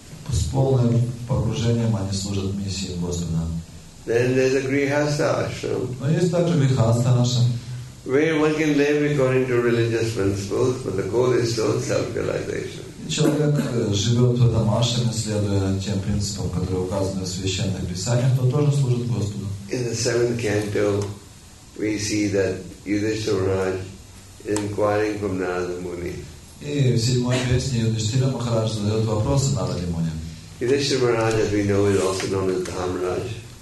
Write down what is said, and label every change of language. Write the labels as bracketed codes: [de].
[ru] С полным погружением они служат миссии Господа. [en] Then there's a grihastha ashram. [ru] Но есть также грихастха ашрам. [en] Where one can live according to religious principles, but the goal is still self-realization. [ru] Человек живет в этом ашраме, следуя тем принципам, которые указаны в священных писаниях, но тоже служит Господу. [en] In the seventh canto, we see that Yudhishthira Maharaj is inquiring from Narada Muni. Yudhishthira Maharaj, as we know, is also known as Dhammaraj.